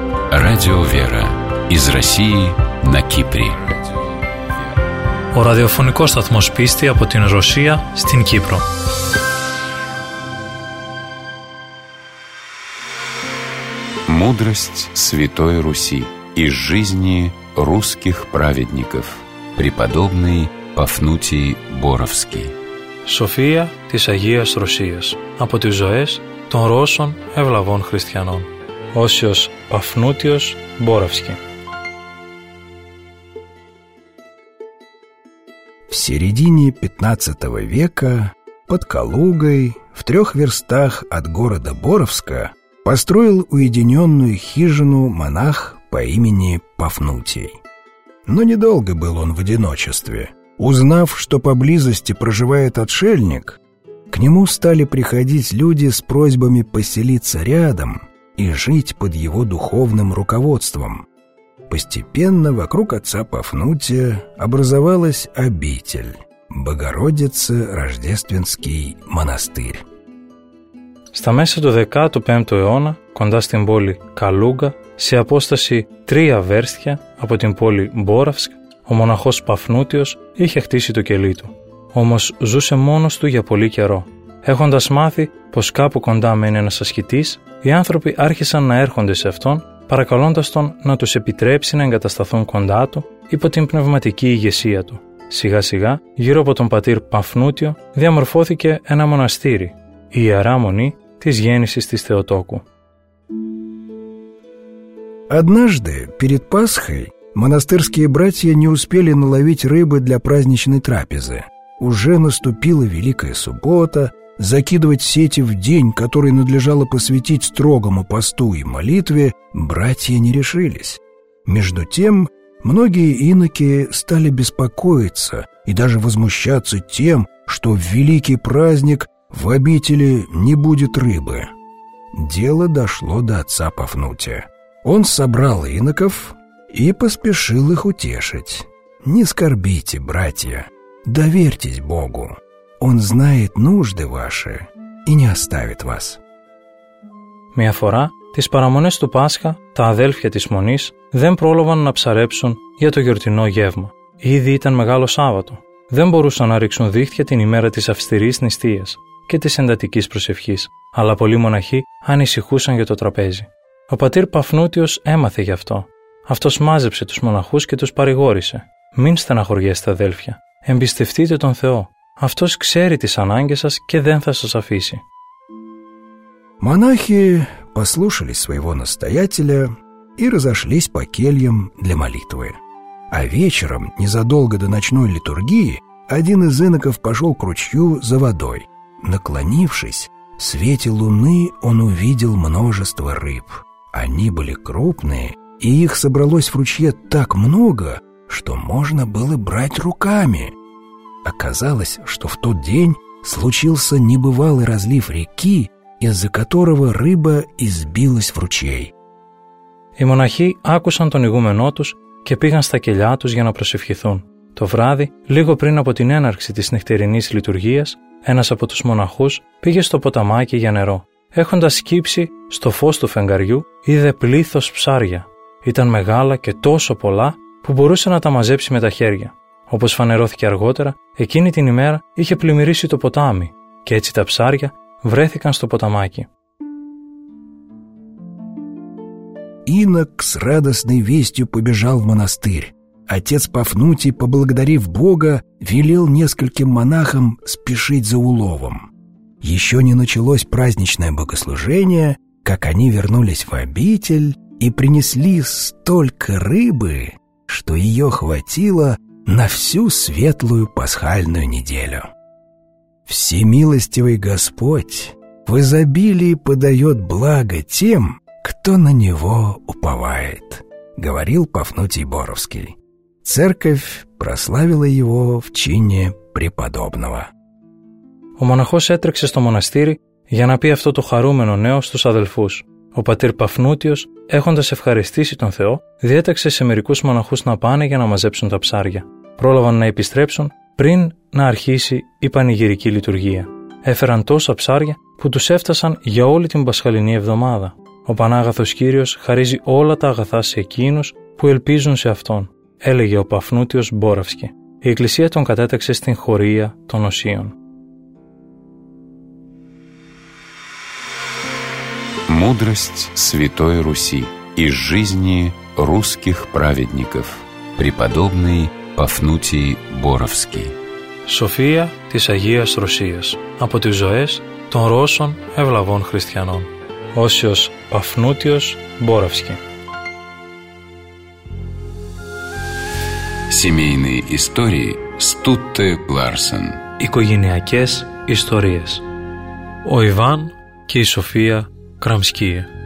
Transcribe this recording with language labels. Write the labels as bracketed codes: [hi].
[ru] Радио Вера из России на Кипре. [el] О радиофонико сатмос писти από την Ρωσία στην Κύπρο. [ru] Мудрость Святой Руси из жизни русских праведников. Преподобный Пафнутий Боровский. [el] София της Αγίας Ρωσίας από τις ζωές των Ρώσων ευλαβών χριστιανών. Όσιος Παφνούτιος Μπόραυσκι. [ru] В середине 15 века под Калугой, в трех верстах от города Боровска, построил уединенную хижину монах по имени Пафнутий. Но недолго был он в одиночестве. Узнав, что поблизости проживает отшельник, к нему стали приходить люди с просьбами поселиться рядом, и жить под его духовным руководством. Постепенно вокруг отца Пафнутия образовалась обитель Богородица Рождественский монастырь. [el] Στα μέσα του 15ου αιώνα, κοντά στην πόλη Καλούγκα, σε απόσταση 3 βέρστια από την πόλη Μπόραυσκ, ο μοναχός Παφνούτιος είχε χτίσει το κελί του. Όμως ζούσε μόνος του για πολύ καιρό. Έχοντας μάθει πως κάπου κοντά μένει ένας ασκητής, οι άνθρωποι άρχισαν να έρχονται σε αυτόν, παρακαλώντας τον να τους επιτρέψει να εγκατασταθούν κοντά του υπό την πνευματική ηγεσία του. Σιγά σιγά, γύρω από τον πατήρ Παφνούτιο, διαμορφώθηκε ένα μοναστήρι, η Ιερά Μονή της γέννησης της Θεοτόκου. [ru] Однажды, перед Пасхой, монастырские братья не успели наловить рыбы для праздничной трапезы. Уже наступила Великая Суббота, закидывать сети в день, который надлежало посвятить строгому посту и молитве, братья не решились. Между тем, многие иноки стали беспокоиться и даже возмущаться тем, что в великий праздник в обители не будет рыбы. Дело дошло до отца Пафнутия. Он собрал иноков и поспешил их утешить. «Не скорбите, братья, доверьтесь Богу. Он знает нужды ваши и не оставит вас». [el] Μια φορά, τις παραμονές του Πάσχα, τα αδέλφια της Μονής δεν πρόλαβαν να ψαρέψουν για το γιορτινό γεύμα. Ήδη ήταν μεγάλο Σάββατο. Δεν μπορούσαν να ρίξουν δίχτυα την ημέρα της αυστηρής νηστείας και της εντατικής προσευχής, αλλά πολλοί μοναχοί ανησυχούσαν για το τραπέζι. Ο πατήρ Παφνούτιος έμαθε γι' αυτό. Αυτός μάζεψε τους μοναχούς και τους παρηγόρησε. «Μην στεναχωριέστε, αδέλφια. Εμπιστευτείτε τον Θεό. Αυτός ξέρει τις ανάγκες σας και δεν θα σας αφήσει». [ru] Μονάχοι послушались своего настоятеля и разошлись по кельям для молитвы. А вечером, незадолго до ночной литургии, один из иноков пошел к ручью за водой. Наклонившись, в свете луны он увидел множество рыб. Они были крупные, и их собралось в ручье так много, что можно было брать руками. Оказалось, что в тот день случился небывалый разлив реки, из-за которого рыба избилась в ручей. [el] Οι μοναχοί άκουσαν τον ηγούμενό τους και πήγαν στα κελιά τους για να προσευχηθούν. Το βράδυ, λίγο πριν από την έναρξη της νυχτερινής λειτουργίας, ένας από τους μοναχούς πήγε στο ποταμάκι για νερό. Έχοντας σκύψει στο φως του φεγγαριού, είδε πλήθος ψάρια. Ήταν μεγάλα και τόσο πολλά που μπορούσε να τα μαζέψει με τα χέρια. Όπως φανερώθηκε αργότερα, εκείνη την ημέρα είχε πλημμυρίσει το ποτάμι και έτσι τα ψάρια βρέθηκαν στο ποταμάκι. [ru] Инок с радостной вестью побежал в монастырь. Отец Пафнутий, поблагодарив Бога, велел нескольким монахам спешить за уловом. Еще не началось праздничное богослужение, как они вернулись в обитель и принесли столько рыбы, что ее хватило на всю светлую пасхальную неделю. Всемилостивый Господь в изобилии подает благо тем, кто на него уповает, говорил Пафнутий Боровский. Церковь прославила его в чине преподобного. [el] Ο μοναχός έτρεξε στο μοναστήρι για να πει αυτό το χαρούμενο νέο στους αδελφούς. Ο πατήρ Παφνούτιος, έχοντας ευχαριστήσει τον Θεό, διέταξε σε μερικούς μοναχούς να πάνε για να μαζέψουν τα ψάρια. Πρόλαβαν να επιστρέψουν πριν να αρχίσει η πανηγυρική λειτουργία. Έφεραν τόσα ψάρια που τους έφτασαν για όλη την Πασχαλινή εβδομάδα. Ο Πανάγαθος Κύριος χαρίζει όλα τα αγαθά σε εκείνους που ελπίζουν σε Αυτόν, έλεγε ο Παφνούτιος Μπόραυσκι. Η Εκκλησία τον κατέταξε στην χωρία των οσίων. [ru] Мудрость Святой Руси из жизни русских праведников. Преподобный Пафнутий Боровский. [el] София της Αγίας Ρωσίας. Από τις ζωές των Ρώσων ευλαβών χριστιανών. Όσιος Παφνούτιος Μπόραυσκι. [ru] Семейные истории Стутте Ларсен. [el] Οικογενειακές ιστορίες. Ο Ιβάν και η Σοφία Крамские.